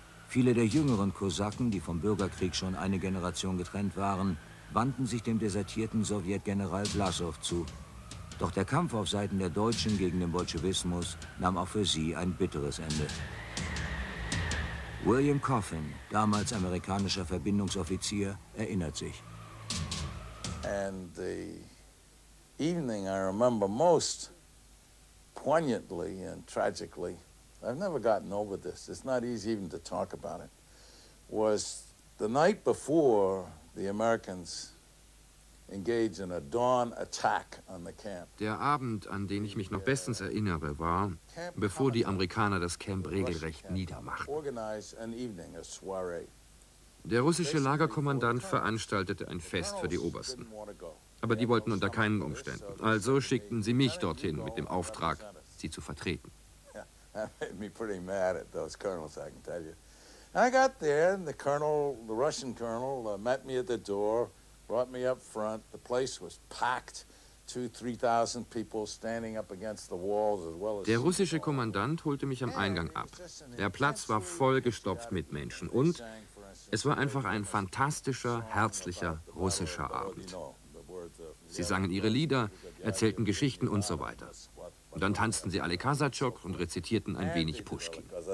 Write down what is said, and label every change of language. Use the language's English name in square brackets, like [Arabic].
[German] Viele der jüngeren Kosaken, die vom Bürgerkrieg schon eine Generation getrennt waren, wandten sich dem desertierten Sowjetgeneral Vlasov zu. Doch der Kampf auf Seiten der Deutschen gegen den Bolschewismus nahm auch für sie ein bitteres Ende. William Coffin, damals amerikanischer Verbindungsoffizier, erinnert sich. [English] And the evening I remember most poignantly and tragically, I've never gotten over this, it's not easy even to talk about it, was the night before the Americans engaged in a dawn attack on the camp. [German] Der Abend, an den ich mich noch bestens erinnere, war, bevor die Amerikaner das Camp regelrecht niedermachten. [English] Organized an evening, a soiree. [German] Der russische Lagerkommandant veranstaltete ein Fest für die Obersten. Aber die wollten unter keinen Umständen. Also schickten sie mich dorthin mit dem Auftrag, sie zu vertreten. [English] That made me pretty mad at those colonels, I can tell you. I got there, and the colonel, the Russian colonel, met me at the door, brought me up front. The place was packed, 2,000-3,000 people standing up against the walls as well as... [German] Der russische Kommandant holte mich am Eingang ab. Der Platz war vollgestopft mit Menschen, und es war einfach ein fantastischer, herzlicher, russischer Abend. Sie sangen ihre Lieder, erzählten Geschichten und so weiter. Und dann tanzten sie alle Kasachok und rezitierten ein wenig Puschkin.